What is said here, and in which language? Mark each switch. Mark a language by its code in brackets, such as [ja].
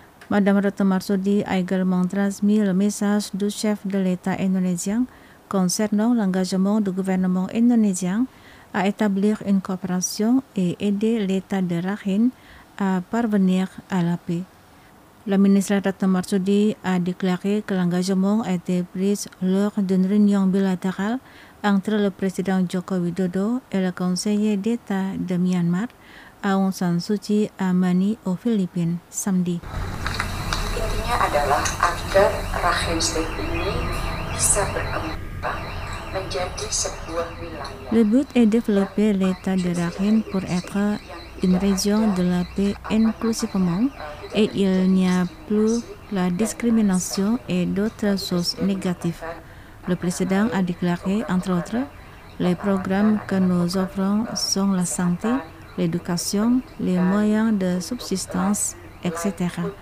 [fr] Mme Retno Marsudi a également transmis le message du chef de l'État indonésien concernant l'engagement du gouvernement indonésien à établir une coopération et aider l'État de Rakhine à parvenir à la paix. La ministre Ratna Marsudi a déclaré que l'engagement a été pris lors d'une réunion bilatérale entre le président Joko Widodo et le conseiller d'État de Myanmar Aung San Suu Kyi à Mani aux Philippines samedi. [id] Intinya adalah agar rahim state ini bisa berkembang menjadi sebuah wilayah. [fr] Le but est développer l'état de Rakhine pour être une région de la paix inclusivement et il n'y a plus la discrimination et d'autres choses négatives. Le président a déclaré, entre autres, les programmes que nous offrons sont la santé, l'éducation, les moyens de subsistance, etc.